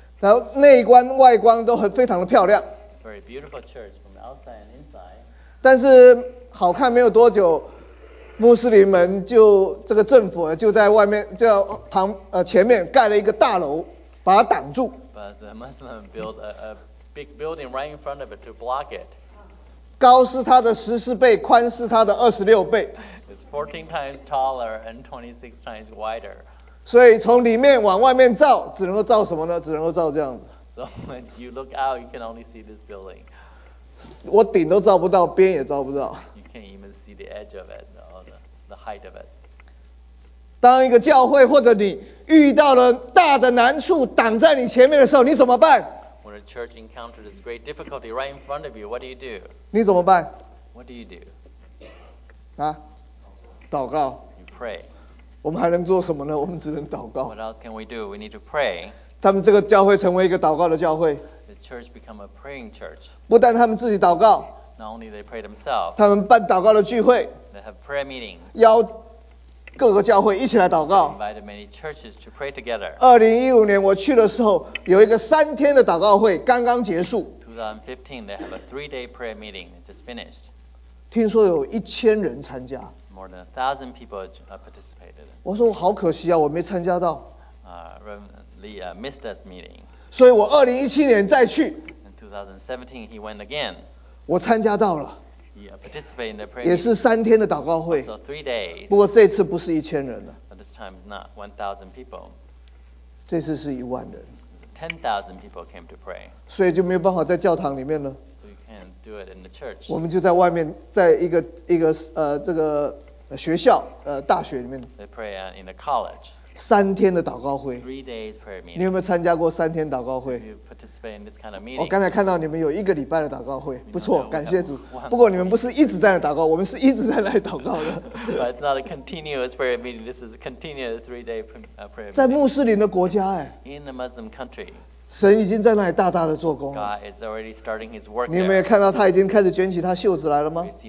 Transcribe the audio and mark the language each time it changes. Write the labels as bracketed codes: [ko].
[zh] 然后内观外观都很非常的漂亮。 [en] Very beautiful church from outside and inside. [zh] 但是好看没有多久，穆斯林们就这个政府就在外面就旁前面盖了一个大楼，把它挡住。 [en] But the Muslim built a big building right in front of it to block it. [zh] 高是它的14倍，宽是它的26倍。 [en] It's 14 times taller and 26 times wider. [zh] 所以从里面往外面照，只能够照什么呢？只能够照这样子。 [en] So when you look out, you can only see this building. [zh] 我顶都照不到，边也照不到。 [en] You can't even see the edge of it, or the height of it. [zh] 当一个教会或者你遇到了大的难处挡在你前面的时候，你怎么办？ [en] When a church encounters this great difficulty right in front of you, what do you do? [zh] 你怎么办？ [en] What do you do? [zh] 啊？祷告。 [en] You pray. [zh] 我们还能做什么呢？我们只能祷告。 [en] What else can we do? We need to pray. [zh] 他们这个教会成为一个祷告的教会。 [en] The church become a praying church. [zh] 不但他们自己祷告。 [en] Not only they pray themselves. [zh] 他们办祷告的聚会。 [en] They have prayer meeting. [zh] 邀各个教会一起来祷告。 [en] They invited many churches to pray together. [zh] 2015年我去的时候，有一个三天的祷告会刚刚结束。 [en] 2015, they have a three-day prayer meeting just finished. [zh] 听说有1000人参加。 [en] More than 1,000 people participated. [zh] 我说我好可惜啊，我没参加到。 [en] Reverend Lee missed this meeting. [zh] 所以我2017年再去。 [en] In 2017, he went again. [zh] 我参加到了。 [en] He participated in the prayer. [zh] 也是三天的祷告会。 [en] So 3 days. [zh] 不过这次不是1000人了。 [en] But this time not 1,000 people. [zh] 这次是1万人。 [en] 10,000 people came to pray. [zh] 所以就没有办法在教堂里面了。 [en] And do it in the church. [zh] 我们就在外面，在一个这个学校大学里面。 [en] They pray in the college. [zh] 三天的祷告会。 [en] Three days prayer meeting. [zh] 你有没有参加过三天祷告会？ [en] You participate in this kind of meeting. [zh] 我刚才看到你们有一个礼拜的祷告会，不错，感谢主。不过你们不是一直在祷告，我们是一直在来祷告的。 [en] But it's not a continuous prayer meeting. This is a continuous three-day prayer meeting. [zh] 在穆斯林的国家哎。 [en] In the Muslim country. [zh] 神已经在那里大大的做工了。你有没有看到他已经开始卷起他袖子来了吗？